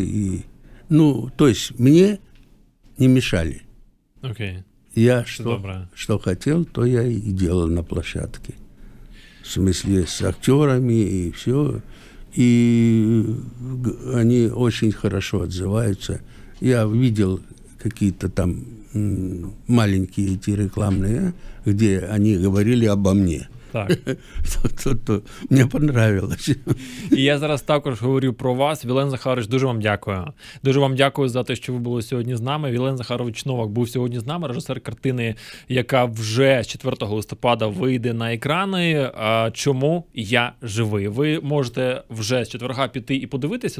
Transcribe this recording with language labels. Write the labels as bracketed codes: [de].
[uk] І, ну, тобто, мені не мішали. Окей. Я що хотів, то я і робив на площадці. [ru] В смысле, с актерами и все. И они очень хорошо отзываются. Я видел какие-то там маленькие эти рекламные, где они говорили обо мне. Так. [uk] То мені понравилось. І я зараз також говорю про вас. Вілен Захарович, дуже вам дякую. Дуже вам дякую за те, що ви були сьогодні з нами. Вілен Захарович Новак був сьогодні з нами, режисер картини, яка вже 4 листопада вийде на екрани. «Чому я живий?» Ви можете вже з четверга піти і подивитися.